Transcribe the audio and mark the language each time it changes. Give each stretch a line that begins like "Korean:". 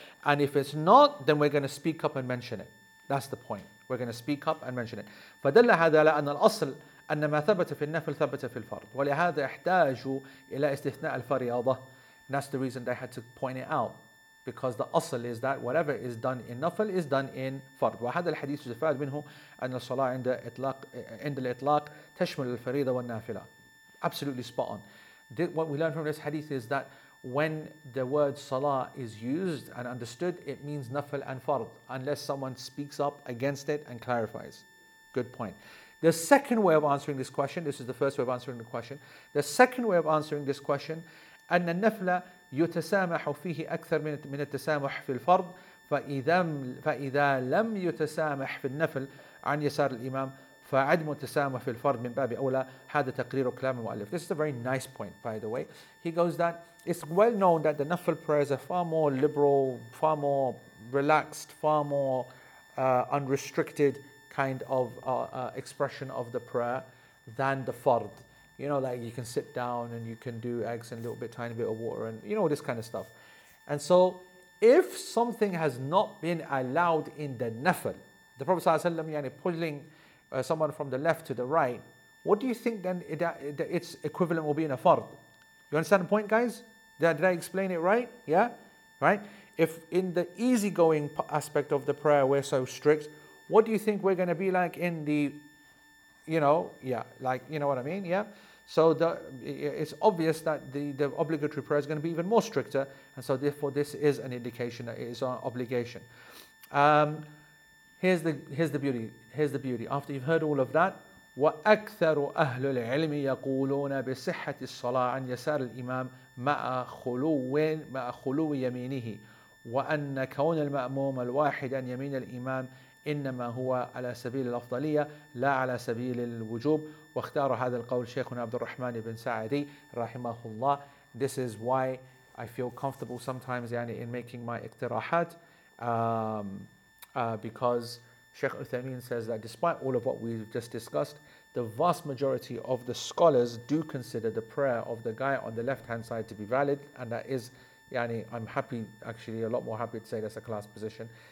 English: And if it's not, then we're going to speak up and mention it. That's the point. We're going to speak up and mention it.
Arabic: فَدَلَّ هَذَا لَأَنَّ الْأَصْلِ أَنَّ مَا ثَبَتَ فِي النَّفْلِ ثَبَتَ فِي الْفَرْضِ وَلِهَذَا احْتَاجُوا إِلَىٰ إِسْتِثْنَاءَ الْفَرِيَضَةِ.
English: That's the reason they had to point it out. Because the asl is that whatever is done in nafl is done in fard.
Arabic: وهذا الحديث يستفاد منه أن الصلاة عند الإطلاق تشمل الفريضة والنافلة.
English: Absolutely spot on. What we learn from this hadith is that when the word salah is used and understood, it means nafl and fard, unless someone speaks up against it and clarifies. Good point. The second way of answering this question, this is the first way of answering the question. The second way of answering this question,
Arabic: أن النفل يتسامح فيه أكثر من التسامح في الفرض فإذا لم يتسامح في النفل عن يسار الإمام فعدم التسامح في الفرض من باب أولى هذا تقرير كلام المؤلف.
English: This is a very nice point, by the way. He goes that it's well known that the Nafl prayers are far more liberal, far more relaxed, far more unrestricted kind of expression of the prayer than the fard. You know, like you can sit down and you can do eggs and a little bit, tiny bit of water and, you know, this kind of stuff. And so, if something has not been allowed in the nafl, the Prophet Sallallahu Alaihi Wasallam, pulling someone from the left to the right, what do you think then its equivalent will be in a fard? You understand the point, guys? Did I explain it right? Yeah? Right? If in the easygoing aspect of the prayer we're so strict, what do you think we're going to be like in the, you know what I mean? Yeah. So it's obvious that the obligatory prayer is going to be even more stricter. And so therefore, this is an indication that it is an obligation. Here's the beauty. After you've heard all of that,
Arabic: وَأَكْثَرُ أَهْلُ الْعِلْمِ يَقُولُونَ بِصِحَّةِ الصَّلَاةِ عَنْ يَسَارِ الْإِمَامِ مَعَ خُلُوِّ يَمِينِهِ وَأَنَّ كَوْنَ الْمَأْمُومَ الْوَاحِدًا يَمِينَ الْإِمَامِ إنما هو على سبيل الأفضلية لا على سبيل الوجوب واختار هذا القول شيخنا عبد الرحمن بن سعدي رحمه الله.
English: This is why I feel comfortable sometimes in making my اقتراحات, because Sheikh Uthaymeen says that despite all of what we've just discussed, the vast majority of the scholars do consider the prayer of the guy on the left hand side to be valid, and that is, I'm happy, actually a lot more happy to say that's a class position.